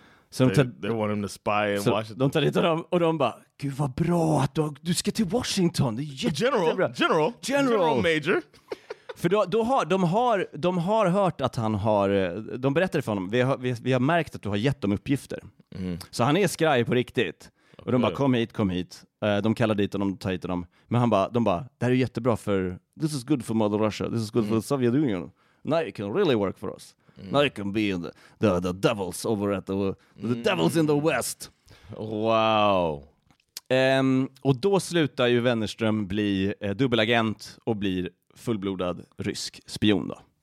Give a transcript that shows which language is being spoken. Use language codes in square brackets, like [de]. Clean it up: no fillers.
[en] Så they want him to spy in Washington. [sv] De tar dit honom och de bara, gud vad bra att du ska till Washington. Det är jättebra. General major. För de har hört att han har, de berättar för honom, vi har märkt att du har gett dem uppgifter. Så han är skraj på riktigt. Okay. Och de bara, kom hit. De kallar dit honom, tar hit honom. Men han bara, det här är jättebra för, [en] this is good for Mother Russia, this is good for the Soviet Union. Now you can really work for us. Now you can be in the devils over at the devils in the west. Wow. [sv] Och då slutar ju Wennerström bli dubbelagent och blir fullblodad rysk spion då.